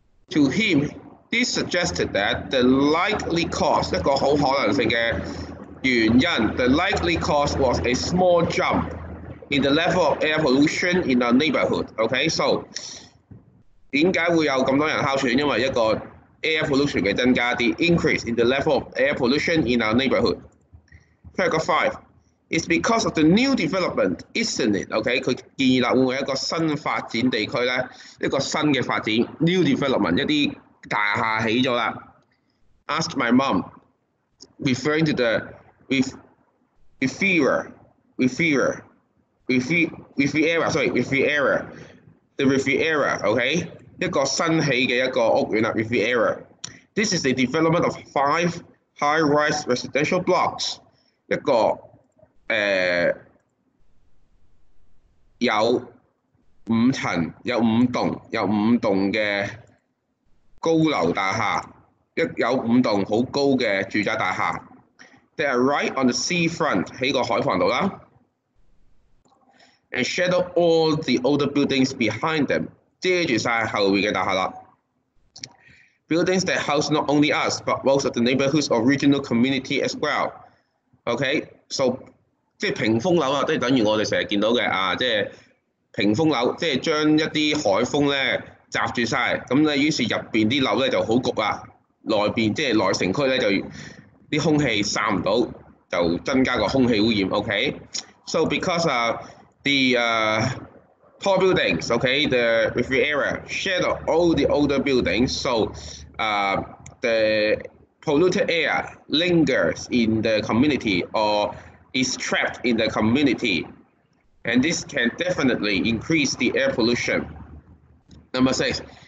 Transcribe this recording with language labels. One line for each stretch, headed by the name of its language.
English: To him, this suggested that the likely cause,
Chinese: 一個很可能性的原因,
English: the likely cause was a small jump in the level of air pollution in our neighborhood.
Chinese: Okay, so, 為什麼會有這麼多人哮喘? 因為一個 air pollution的增加,
English: the increase in the level of air pollution in our neighborhood. Paragraph 5. It's because of the new development, isn't it?
Chinese: Okay, 他建議了會不會有一個新發展地區呢? 一個新的發展,
English: new development,
Chinese: 一些大廈起了。
English: Asked my mom, referring to the Riviera, the Riviera, okay?
Chinese: 一個新起的一個屋苑, Riviera.
English: This is the development of 5 high-rise residential blocks.
Chinese: 一個 有五棟的高樓大廈，有五棟很高的住宅大廈。
English: They are right on the seafront,
Chinese: 在海旁。
English: And shadow all the older buildings behind them,
Chinese: 遮住後面的大廈。
English: Buildings that house not only us, but most of the neighborhood's original community as well.
Chinese: Okay, so 即是屏風樓，等於我們經常見到的屋子，即是屏風樓，即是將一些海風集住了，於是裡面的樓就很焗了，內城區的空氣散不到，就增加了空氣污染，OK?
English: So because the tall buildings, okay, the Riviera shadow all the older buildings, so the polluted air lingers in the community or is trapped in the community, and this can definitely increase the air pollution. Number 6.